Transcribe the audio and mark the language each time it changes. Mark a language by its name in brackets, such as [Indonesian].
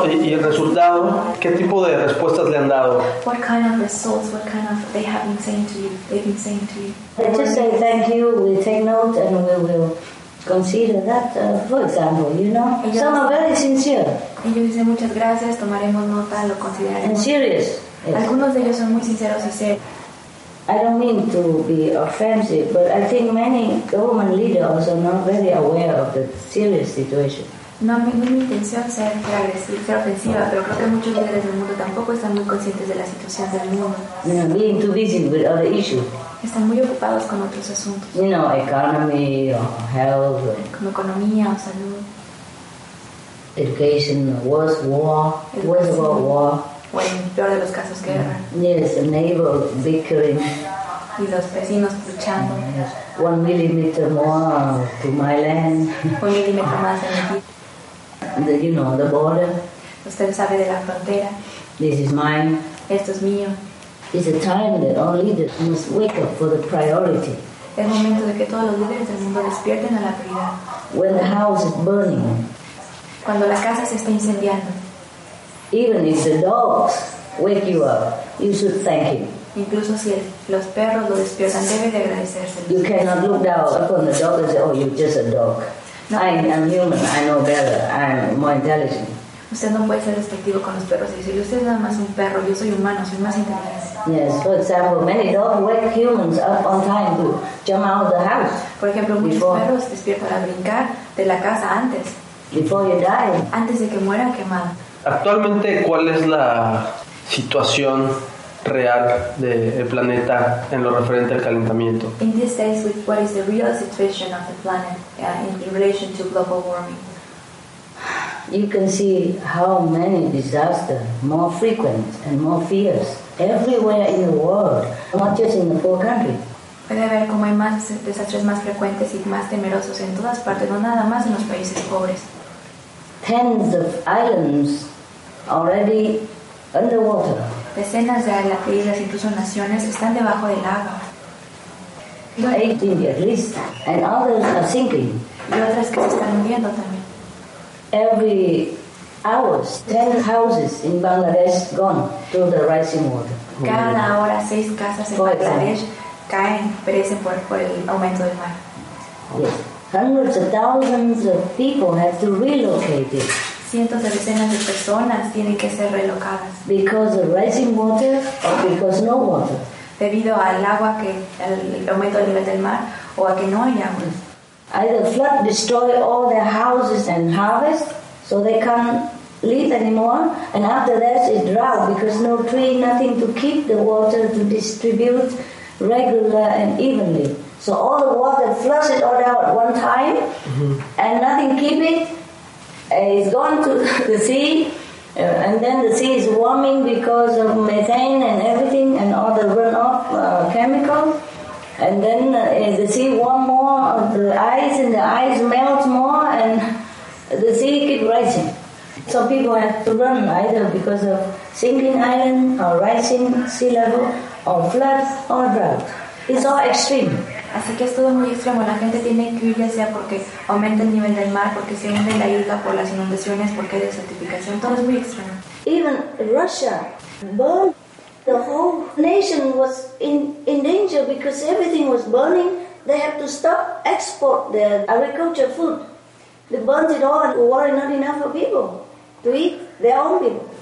[Spanish] ¿Y el resultado, qué tipo de respuestas le han dado? [English] What kind of results, what kind of, they have been saying to you, they've been saying to you. They just say thank you, we take note and we will consider that, for example, you know. Some are very sincere. [Spanish] Ellos dicen muchas gracias, tomaremos nota, lo consideraremos. [English] And serious. [Spanish] Algunos de ellos son muy sinceros y serios. [English] I don't mean to be offensive, but I think many government leaders are also not very aware of the serious situation. [Spanish] No, no es mi intención ser ofensiva, pero creo que muchos líderes del mundo tampoco están muy conscientes de la situación del mundo. [English] You know, being too busy with other issues. [Spanish] Están muy ocupados con otros asuntos. [English] You know, economy or health. Or [Spanish] como economía o salud. [English] Education, worse war, worse world war. [Spanish] O en peor de los casos, guerra. [English] Yes, a neighbor bickering. [Spanish] Y los vecinos luchando. [English] Yes. 1 millimeter more to my land. [Spanish] 1 millimeter más en mi tierra. [English] The, you know, the border. [Spanish] Usted sabe de la frontera. [English] This is mine. [Spanish] Esto es mío. [English] It's a time that all leaders must wake up for the priority. [Spanish] Es momento de que todos los líderes del mundo despierten a la prioridad. [English] When the house is burning. [Spanish] Cuando la casa se está incendiando. [English] Even if the dogs wake you up, you should thank him. [Spanish] Incluso si los perros lo despiertan, debe de agradecérselo. [English] You cannot look down upon the dog and say, oh, you're just a dog. No. I am human, I know better, I'm more intelligent. [Spanish] Usted no puede ser despectivo con los perros y decir, usted es nada más un perro, yo soy humano, soy más inteligente. [English] Yes, for example, many dogs wake humans up on time to jump out of the house. [Spanish] Por ejemplo, muchos perros despiertan a brincar de la casa antes. [English] Before you die. [Spanish] Antes de que muera quemado. Actualmente, ¿cuál es la situación real del planeta en lo referente al calentamiento? [English] In these days, what is the real situation of the planet in relation to global warming? You can see how many disasters, more frequent and more fierce, everywhere in the world, not just in the poor countries. [Spanish] Puede ver cómo hay más desastres más frecuentes y más temerosos en todas partes, no nada más en los países pobres. [English] Tens of islands already underwater. [Spanish] Decenas de islas, incluso naciones, están debajo del agua. [English] 18 at least, and others are sinking. [Spanish] Y otras que se están hundiendo también. [English] Every hours, 10 houses in Bangladesh gone to the rising water. [Spanish] Cada hora, 6 casas en Bangladesh caen, perecen por el aumento del mar. [English] Yes. Hundreds of thousands of people have to relocate it. [Spanish] Cientos de decenas de personas tienen que ser relocadas. [English] Because of rising water or because no water. [Spanish] Debido al agua que el aumento del nivel del mar o a que no hay agua. [English] Either flood destroy all their houses and harvest, so they can't live anymore. And after that, it's drought because no tree, nothing to keep the water to distribute regular and evenly. So all the water flushes all out at one time, and nothing keep it. It's gone to the sea, and then the sea is warming because of methane and everything, and all the runoff chemicals. And then the sea warm more of the ice, and the ice melts more, and the sea keep rising. So people have to run either because of sinking island, or rising sea level, or flood, or drought. It's all extreme. [Spanish] Así que es todo muy extremo. La gente tiene que huir ya sea porque aumenta el nivel del mar, porque se hunde la isla por las inundaciones, porque hay desertificación. Todo es muy extremo. [English] Even Russia burned. The whole nation was in danger because everything was burning. They have to stop export their agriculture food. They burned it all and water not enough for people to eat their own people.